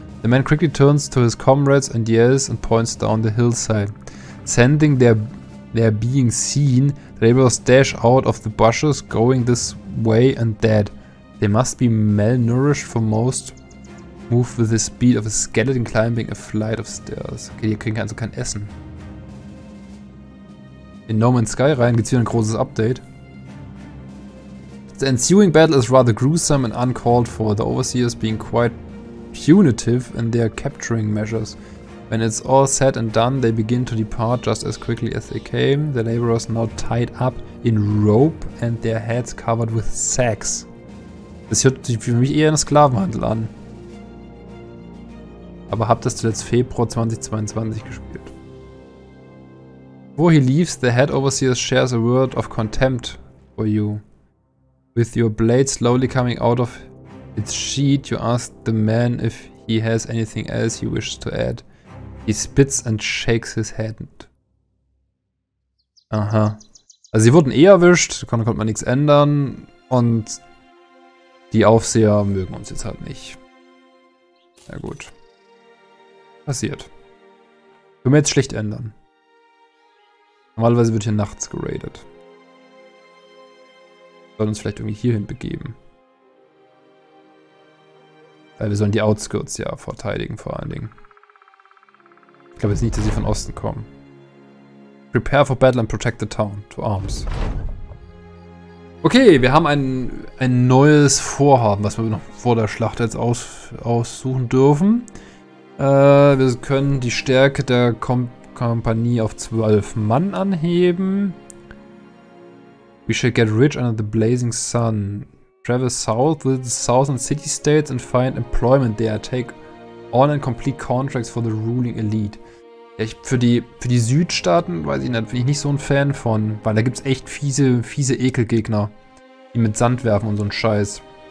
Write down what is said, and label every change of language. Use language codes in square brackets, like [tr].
[en] The man quickly turns to his comrades and yells and points down the hillside. Sending their being seen, the laborers dash out of the bushes, going this way and that. They must be malnourished for most move with the speed of a skeleton climbing a flight of stairs. [de] Okay, hier kriegen wir also kein Essen. In No Man's Sky rein gibt's wieder ein großes Update. [en] The ensuing battle is rather gruesome and uncalled for. The overseers being quite punitive in their capturing measures. When it's all said and done, they begin to depart just as quickly as they came. The laborers now tied up in rope and their heads covered with sacks. [de] Das hört sich für mich eher in Sklavenhandel an. Aber hab das zuletzt Februar 2022 gespielt. [en] Before he leaves, the head overseer shares a word of contempt for you. With your blade slowly coming out of its sheath, you ask the man if he has anything else he wishes to add. He spits and shakes his head. Aha. [de] Also sie wurden eh erwischt, konnte man nichts ändern. Und die Aufseher mögen uns jetzt halt nicht. Na gut. Passiert. Können wir jetzt schlecht ändern. Normalerweise wird hier nachts geradet. Sollen uns vielleicht irgendwie hierhin begeben. Weil wir sollen die Outskirts ja verteidigen vor allen Dingen. Ich glaube jetzt nicht, dass sie von Osten kommen. [en] Prepare for battle and protect the town. To arms. [de] Okay, wir haben ein neues Vorhaben, was wir noch vor der Schlacht jetzt aussuchen dürfen. Wir können die Stärke der Kompanie auf 12 Mann anheben. [en] We shall get rich under the blazing sun. Travel south with the southern city states and find employment there. Take on and complete contracts for the ruling elite. [de] Ja, ich, für die Südstaaten, weiß ich nicht, bin ich nicht so ein Fan von, weil da gibt's echt fiese Ekelgegner, die mit Sand werfen und so einen Scheiß.